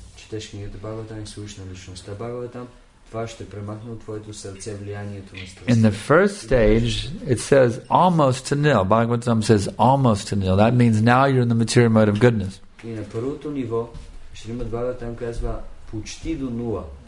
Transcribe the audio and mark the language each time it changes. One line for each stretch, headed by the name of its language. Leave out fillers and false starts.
Bulgarian: четеш книгата Бхагаватам и слушаш на личността Бхагаватам, това ще премахне от твоето сърце влиянието на страстта.
English: In the first stage, it says almost to nil. Bhagavatam says almost to nil. That means now you're in the material mode of goodness.
Bulgarian: И на първото ниво, Шримад Бхагаватам казва почти до нула.